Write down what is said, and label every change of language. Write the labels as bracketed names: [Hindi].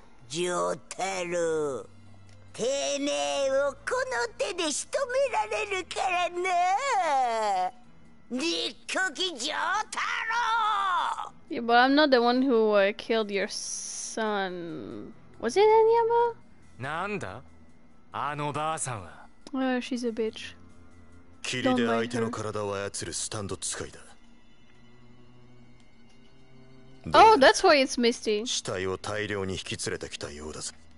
[Japanese] ジョータロー、てめえをこの手で仕留められるからな。立刻ジョータロー。 [English] Yeah, but I'm not the one who、killed your son. Was it Enyaba? [Japanese] なんだ、あのばあさんは。 [English] Oh, she's a bitch. [Japanese] 霧で相手の体を操るスタンド使いだ。 [English] Oh, that's why it's misty. [Japanese] 死体を大量に引き連れてきたようだぜ。